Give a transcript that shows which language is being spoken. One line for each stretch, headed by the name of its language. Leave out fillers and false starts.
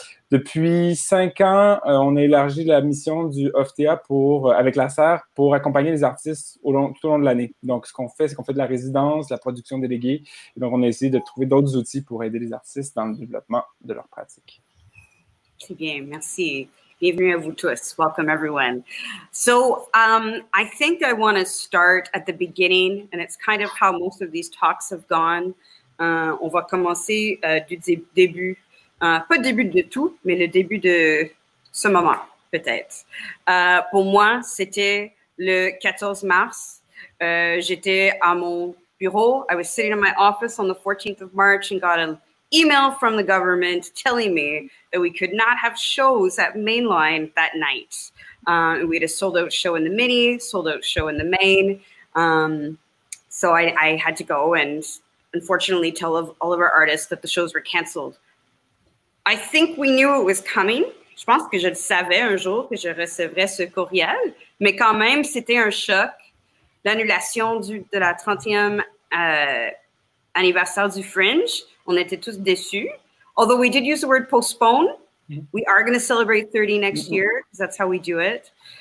French: Depuis 5 ans, on a élargi la mission du OFTA avec la SER pour accompagner les artistes tout au long de l'année. Donc, ce qu'on fait, c'est qu'on fait de la résidence, de la production déléguée. Et donc, on a essayé de trouver d'autres outils pour aider les artistes dans le développement de leur pratique. Très bien, merci. Bienvenue à vous tous.
English: Welcome, everyone. So, I think I want to start at the beginning, and it's kind of how most of these talks have gone.
French: On va commencer du début. Pas le début de tout, mais le début de ce moment, peut-être. Pour moi, c'était le 14 mars. J'étais à mon bureau.
English: I was sitting in my office on the 14th of March and got an email from the government telling me that we could not have shows at Mainline that night. We had a sold-out show in the Mini, sold-out show in the Main. So I had to go and unfortunately tell all of our artists that the shows were canceled. I think we knew it was coming.
French: Je pense que je le savais un jour que je recevrais ce courriel, mais quand même, c'était un choc. L'annulation de la 30e anniversaire du Fringe, on était tous déçus.
English: Although we did use the word postpone, we are going to celebrate 30 next year, because that's how we do it.